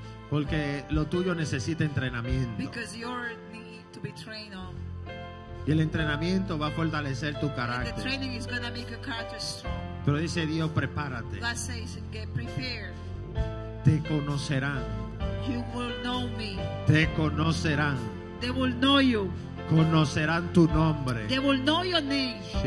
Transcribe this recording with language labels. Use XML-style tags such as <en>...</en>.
<es>Porque lo tuyo necesita entrenamiento.</es> <en>Because you need to be trained on.</en> <es>Y el entrenamiento va a fortalecer tu carácter.</es> <en>And the training is gonna make your character strong.</en> <es>Pero dice Dios, prepárate.</es> <en>God says, get prepared.</en> <es>Te conocerán.</es> <en>You will know me.</en> <es>Te conocerán.</es> <en>They will know you.</en> <es>Conocerán tu nombre.</es> <en>They will know your name.</en>